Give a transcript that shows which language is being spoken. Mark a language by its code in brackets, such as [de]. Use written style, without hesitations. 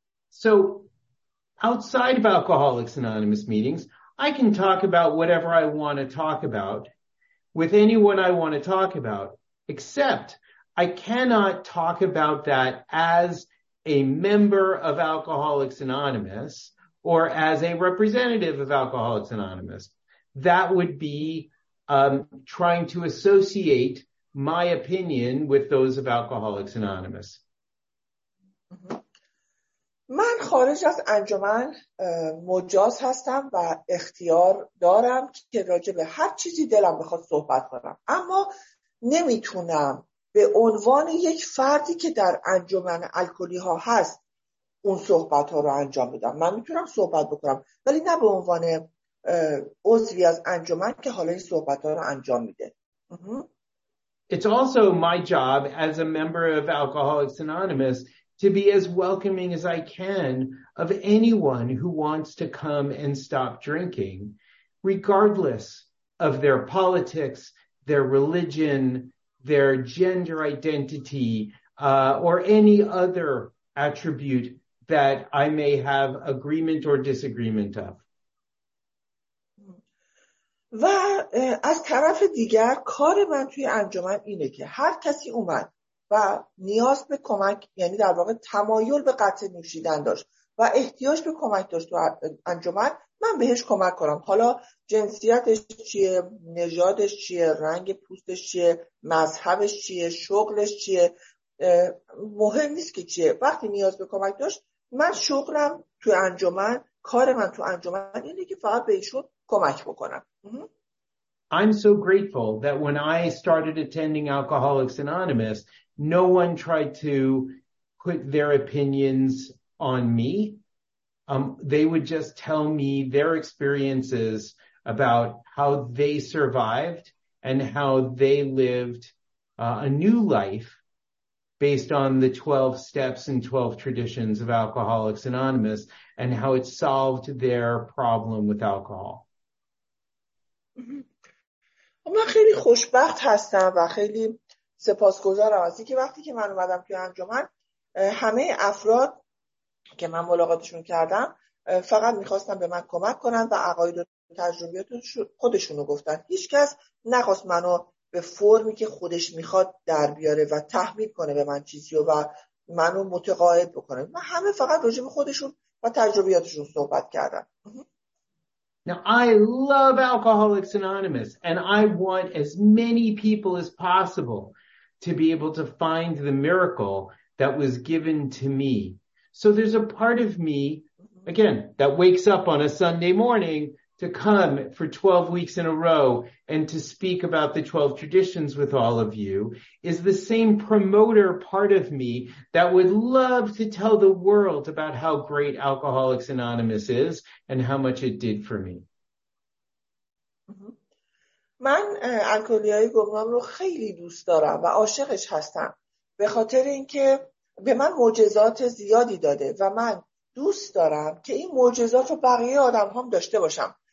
[en] So outside of Alcoholics Anonymous meetings, I can talk about whatever I want to talk about with anyone I want to talk about, except I cannot talk about that as a member of Alcoholics Anonymous or as a representative of Alcoholics Anonymous. That would be trying to associate my opinion with those of Alcoholics Anonymous. [fa] من خارج از انجمن مجاز هستم و اختیار دارم که راجع به هر چیزی دلم بخواد صحبت کنم، اما نمیتونم به عنوان یک فردی که در انجمن الکلی ها هست اون صحبت ها رو انجام بدم. من میتونم صحبت بکنم، ولی نه به عنوان عضوی از انجمن که حالا این صحبت ها رو انجام میده. [en] It's also my job as a member of Alcoholics Anonymous to be as welcoming as I can of anyone who wants to come and stop drinking, regardless of their politics, their religion, their gender identity, or any other attribute that I may have agreement or disagreement of. [fa] و از طرف دیگر کار من توی انجمن اینه که هر کسی اومد و نیاز به کمک، یعنی در واقع تمایل به قطع نوشیدن داشت و احتیاج به کمک داشت تو انجمن، من بهش کمک کنم. حالا جنسیتش چیه، نژادش چیه، رنگ پوستش چیه، مذهبش چیه، شغلش چیه، مهم نیست که چیه. وقتی نیاز به کمک داشت، من شغلم تو انجمن، کار من تو انجمن اینه که فقط بهشون کمک بکنم. [en] I'm so grateful that when I started attending Alcoholics Anonymous, no one tried to put their opinions on me. They would just tell me their experiences about how they survived and how they lived a new life based on the 12 steps and 12 traditions of Alcoholics Anonymous and how it solved their problem with alcohol. [fa] من خیلی خوشبخت هستم و خیلی سپاسگزارم از اینکه وقتی که من اومدم توی انجمن، همه افراد که من ملاقاتشون کردم فقط میخواستن به من کمک کنن و عقاید و تجربیات خودشون رو گفتن. هیچ کس نخواست منو به فرمی که خودش میخواد در بیاره و تحمیل کنه به من چیزی و منو متقاعد بکنه. من همه فقط راجع به خودشون و تجربیاتشون صحبت کردم. [en] Now, I love Alcoholics Anonymous, and I want as many people as possible to be able to find the miracle that was given to me. So there's a part of me, again, that wakes up on a Sunday morning to come for 12 weeks in a row and to speak about the 12 traditions with all of you is the same promoter part of me that would love to tell the world about how great Alcoholics Anonymous is and how much it did for me. [fa] من الکلیای گمنام رو خیلی دوست دارم و عاشقش هستم به خاطر اینکه به من معجزات زیادی داده و من دوست دارم که این معجزات رو بقیه آدم هم داشته باشم.